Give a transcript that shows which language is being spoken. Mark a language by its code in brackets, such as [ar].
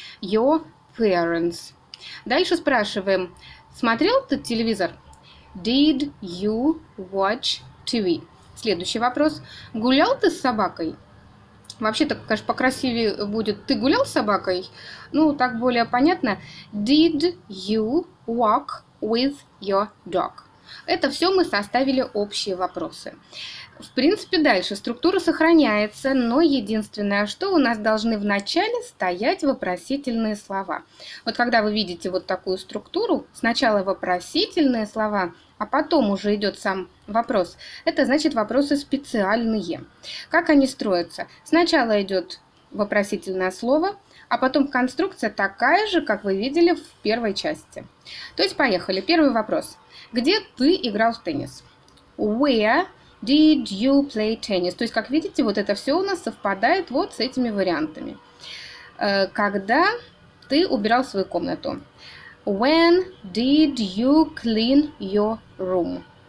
[en] Your parents. [ru] Дальше спрашиваем. Смотрел ты телевизор? [en] Did you watch TV? [ru] Следующий вопрос. Гулял ты с собакой? Вообще-то, конечно, покрасивее будет. Ты гулял с собакой? Ну, так более понятно. [en] Did you walk with your dog? [ru] Это все мы составили общие вопросы. В принципе, дальше структура сохраняется, но единственное, что у нас должны в начале стоять вопросительные слова. Вот когда вы видите вот такую структуру, сначала вопросительные слова, а потом уже идет сам вопрос. Это значит вопросы специальные. Как они строятся? Сначала идет вопросительное слово, а потом конструкция такая же, как вы видели в первой части. То есть поехали. Первый вопрос. Где ты играл в теннис? [en] Where did you play tennis? [ru] То есть, как видите, вот это все у нас совпадает вот с этими вариантами. Когда ты убирал свою комнату? [en] When did you clean your room?